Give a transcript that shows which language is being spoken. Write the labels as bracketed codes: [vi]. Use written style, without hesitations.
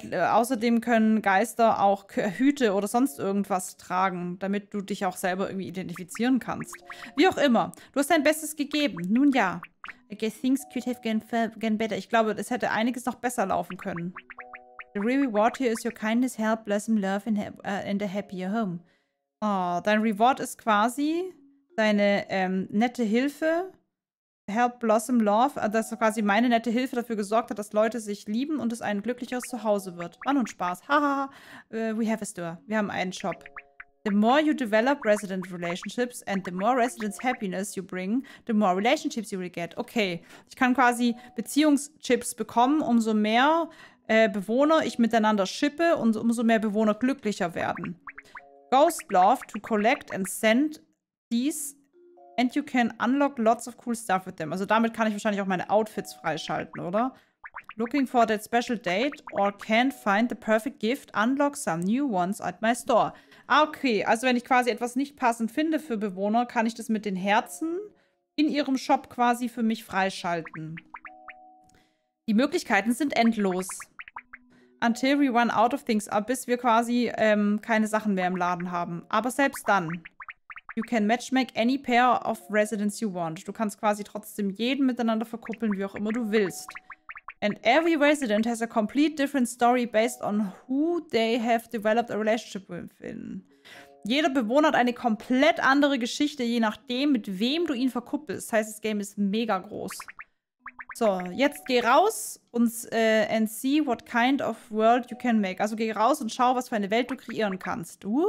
[de] Außerdem können Geister auch Hüte oder sonst irgendwas tragen, damit du dich auch selber irgendwie identifizieren kannst. Wie auch immer, du hast dein Bestes gegeben. Nun ja. [en] I guess things could have gone better. [de] Ich glaube, es hätte einiges noch besser laufen können. [en] The real reward here is your kindness, help, blossom, love and a happier home. [de] Oh, dein Reward ist quasi deine nette Hilfe. Help, Blossom, Love, dass quasi meine nette Hilfe dafür gesorgt hat, dass Leute sich lieben und es ein glücklicheres Zuhause wird. Mann und Spaß. Haha. [en] We have a store. [de] Wir haben einen Shop. [en] The more you develop resident relationships and the more residents' happiness you bring, the more relationships you will get. [de] Okay. Ich kann quasi Beziehungschips bekommen, umso mehr Bewohner ich miteinander shippe und umso mehr Bewohner glücklicher werden. [en] Ghost Love to collect and send these. And you can unlock lots of cool stuff with them. [de] Also damit kann ich wahrscheinlich auch meine Outfits freischalten, oder? [en] Looking for that special date or can't find the perfect gift, unlock some new ones at my store. [de] Ah, okay. Also wenn ich quasi etwas nicht passend finde für Bewohner, kann ich das mit den Herzen in ihrem Shop quasi für mich freischalten. Die Möglichkeiten sind endlos. [en] Until we run out of things. [de] Bis wir quasi keine Sachen mehr im Laden haben. Aber selbst dann. [en] You can matchmake any pair of residents you want. [de] Du kannst quasi trotzdem jeden miteinander verkuppeln, wie auch immer du willst. [en] And every resident has a complete different story based on who they have developed a relationship with. [de] Jeder Bewohner hat eine komplett andere Geschichte, je nachdem, mit wem du ihn verkuppelst. Das heißt, das Game ist mega groß. So, jetzt geh raus und [en] and see what kind of world you can make. [de] Also geh raus und schau, was für eine Welt du kreieren kannst.